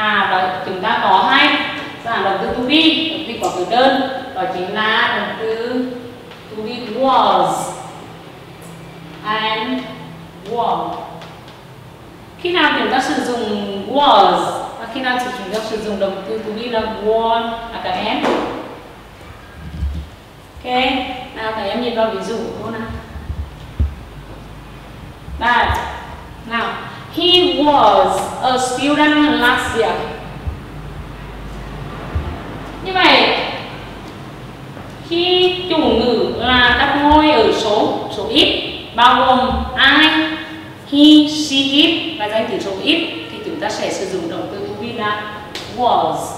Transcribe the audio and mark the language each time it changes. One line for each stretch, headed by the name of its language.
Vietnamese: Đó chúng ta có hai dạng động từ to be, động từ quá khứ đơn đó chính là động từ to be was and were. Khi nào chúng ta sử dụng was và khi nào chúng ta sử dụng động từ to be là were à các em? Ok, nào các em nhìn vào ví dụ luôn nào.
English: But now he was a student last year.
Vietnamese: Như vậy khi chủ ngữ là các ngôi ở số ít bao gồm I, he, she, it và danh từ số ít thì chúng ta sẽ sử dụng động từ to be là was.